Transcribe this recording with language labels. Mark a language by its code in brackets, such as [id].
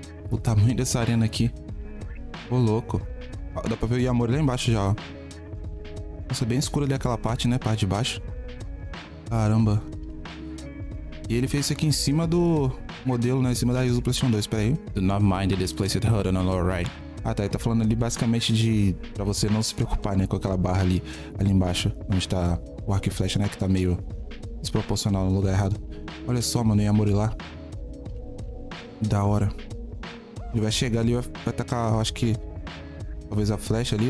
[pt] O tamanho dessa arena aqui. Ô, louco. Dá pra ver o Yamori lá embaixo já, ó. Nossa, bem escuro ali aquela parte, né? Parte de baixo. Caramba. E ele fez isso aqui em cima do modelo, né? Em cima da ISO PlayStation 2, pera aí. [en] Do not mind this place that hurt on our right. [pt] Ah, tá. Ele tá falando ali basicamente de... pra você não se preocupar, né? Com aquela barra ali. Ali embaixo. Onde tá o arco e flecha, né? Que tá meio desproporcional no lugar errado. Olha só, mano. O Yamori lá. Da hora. Ele vai chegar ali, vai atacar, acho que... talvez a flecha ali.